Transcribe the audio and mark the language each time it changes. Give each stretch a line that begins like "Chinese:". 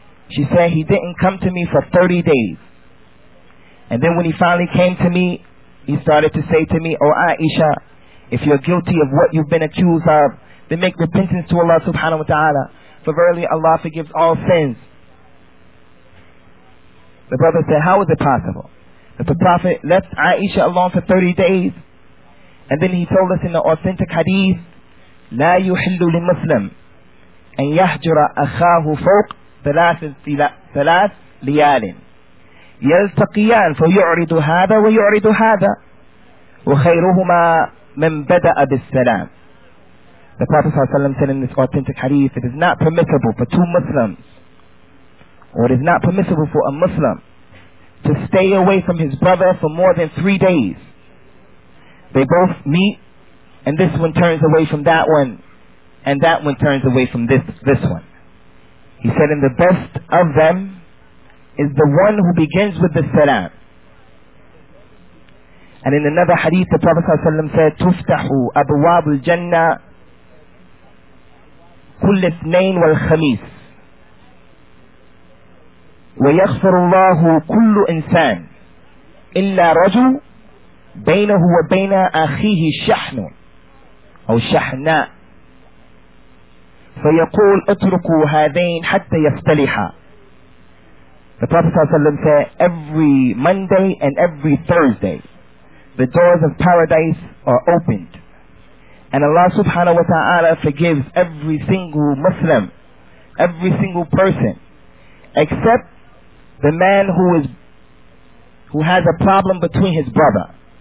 English: She said, he didn't come to me for 30 days. And then when he finally came to me, he started to say to me, oh Aisha, if you're guilty of what you've been accused of, then make repentance to Allah subhanahu wa ta'ala, for verily Allah forgives all sins. The brother said, how is it possible that the Prophet left Aisha alone for 30 days? And then he told us in the authentic hadith,
Arabic: لا يحل لمسلم أن يهجر أخاه فوق ثلاث ليال يلتقيان فيعرض هذا ويعرض هذا وخيرهما من بدأ بالسلام.
English: The Prophet ﷺ said in this authentic hadith, it is not permissible for two Muslims, or it is not permissible for a Muslim to stay away from his brother for more than 3 days. They both meet, and this one turns away from that one, and that one turns away from this one. He said, and the best of them is the one who begins with the salam. And in another hadith, the Prophet ﷺ said,
Arabic: تُفْتَحُ أَبْوَابُ الْجَنَّةِ كُلِّ اثْنَيْنِ وَالْخَمِيسِ وَيَغْفِرُ اللَّهُ كُلُّ إِنسَانِ إِلَّا رَجُلُ بَيْنَهُ وَبَيْنَ أَخِيهِ شَحْنُ أو شَحْنَا فَيَقُولْ أَتْرُكُوا هَذَيْنِ حَتَّى يَفْتَلِحَا.
English: The Prophet ﷺ said, every Monday and every Thursday, the doors of paradise are opened, and Allah subhanahu wa ta'ala forgives every single Muslim, every single person, except the man who has a problem between his brother.